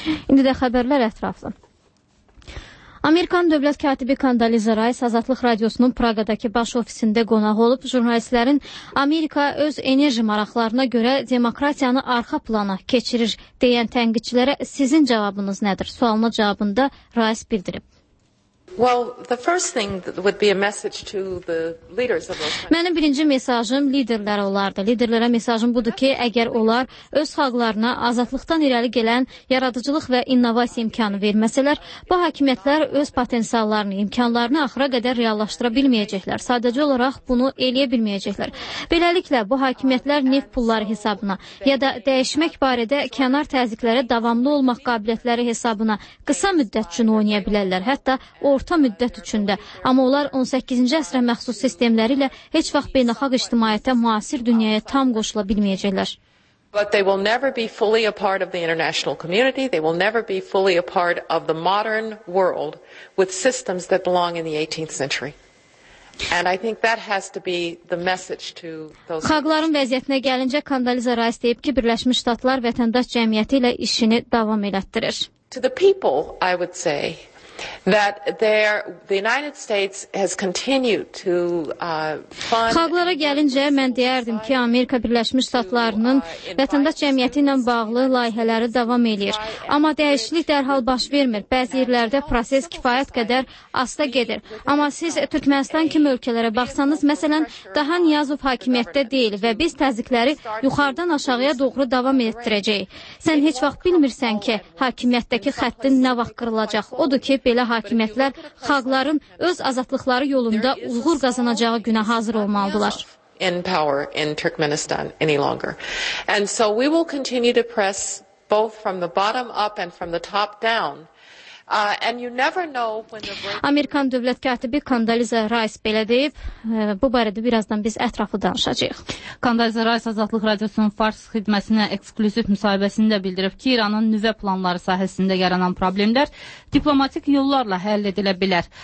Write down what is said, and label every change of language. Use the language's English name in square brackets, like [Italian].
[Azerbaijani] İndi də xəbərlər ətrafı. Amerikan dövlət katibi Condoleezza Rice Azadlıq Radiosunun Praqadakı baş ofisində qonaq olub, jurnalistlərin Amerika öz enerji maraqlarına görə demokratiyanı arxa plana keçirir deyən tənqidçilərə sizin cavabınız nədir? Sualına cavabında Rice bildirib. [English] Well, the first thing would be a message to the leaders of those countries. [Azerbaijani] Mənim birinci mesajım liderlərə olardı. Liderlərə mesajım budur ki, əgər onlar öz xalqlarına azadlıqdan irəli gələn yaradıcılıq və innovasiya imkanı verməsələr, bu hakimiyyətlər öz potensiallarını, imkanlarını axıra qədər reallaşdıra bilməyəcəklər. Sadəcə olaraq bunu eləyə bilməyəcəklər. Beləliklə, bu hakimiyyətlər neft pulları hesabına ya da dəyişmək barədə kənar təzyiqlərə davamlı olmaq qabiliyyətləri hesabına qısa müddət üçün oynaya bilərlər. Hətta orta müddət üçündə, amma onlar 18-ci əsrə məxsus sistemləri ilə heç vaxt beynəlxalq ictimaiyyətə, müasir dünyaya tam qoşula bilməyəcəklər. [English] But they will never be fully a part of the international community. They will never be fully a part of the modern world with systems that belong in the 18th century. And I think that has to be the message to those. [Azerbaijani] Xalqların vəziyyətinə gəlincə Condoleezza Rice deyib ki, Birləşmiş Ştatlar vətəndaş cəmiyyəti ilə işini davam elətdirir. [English] To the people, I would say that the United States has continued to fund. [Azerbaijani] Xalqlara gəlincə mən deyərdim ki, Amerika Birləşmiş Ştatlarının vətəndaş cəmiyyəti ilə bağlı layihələri davam edir. Amma dəyişiklik dərhal baş vermir. Bəzi yerlərdə proses kifayət qədər asta gedir. Amma siz Türkmenistan kimi ölkələrə baxsanız, məsələn, daha Niyazov hakimiyyətdə deyil və biz təzyiqləri yuxarıdan aşağıya doğru davam etdirəcəyik. Sən heç vaxt bilmirsən ki, hakimiyyətdəki xəttin nə vaxt qırılacaq. Odur ki, belə hakimiyyətlər xalqların öz azadlıqları yolunda uğur qazanacağı günə hazır olmalıdırlar. [English] In power in Turkmenistan any longer. And so we will continue to press both from the bottom up and from the top down. And you never know when the [Azerbaijani] Amerikan dövlət katibi Condoleezza Rice belə deyib, bu barədə birazdan biz ətraflı danışacağıq. Condoleezza Rice Azadlıq Radiosunun Fars xidmətinə eksklüziv müsahibəsində bildirib ki, İranın nüvə planları sahəsində yaranan problemlər diplomatik yollarla həll edilə bilər.